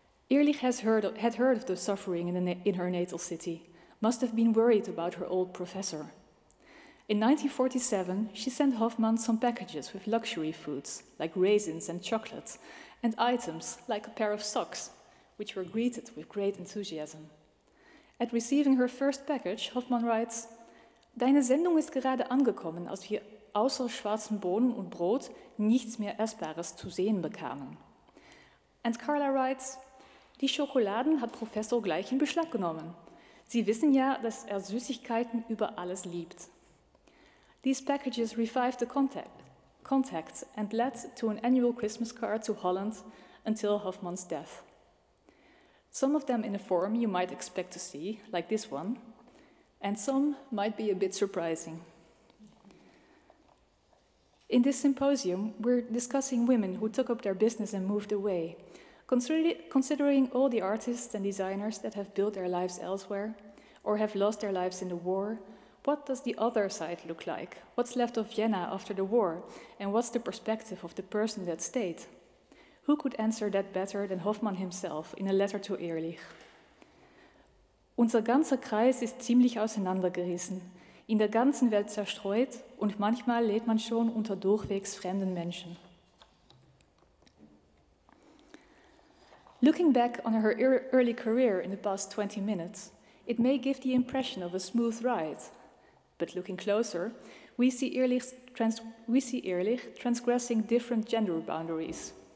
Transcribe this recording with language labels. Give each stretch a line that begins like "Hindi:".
English: Ehrlich had heard of the suffering in her natal city, must have been worried about her old professor. In 1947, she sent Hoffmann some packages with luxury foods, like raisins and chocolate, and items like a pair of socks, which were greeted with great enthusiasm. At receiving her first package, Hoffmann writes,
German: Deine Sendung ist gerade angekommen, als wir außer schwarzen Bohnen und Brot nichts mehr Essbares zu sehen bekamen.
English: And Carla writes,
German: Die Schokoladen hat Professor gleich in Beschlag genommen. Sie wissen ja, dass Süßigkeiten über alles liebt.
English: These packages revived the contact and led to an annual Christmas card to Holland until Hoffmann's death. Some of them in a form you might expect to see, like this one, and some might be a bit surprising. In this symposium, we're discussing women who took up their business and moved away. Considering all the artists and designers that have built their lives elsewhere or have lost their lives in the war, what does the other side look like? What's left of Vienna after the war? And what's the perspective of the person that stayed? Who could answer that better than Hoffmann himself in a letter to Ehrlich?
German: Unser ganzer Kreis ist ziemlich auseinandergerissen, in der ganzen Welt zerstreut und manchmal lebt man schon unter durchwegs fremden Menschen.
English: Looking back on her early career in the past 20 minutes, it may give the impression of a smooth ride. But looking closer, we see Ehrlich transgressing different gender boundaries.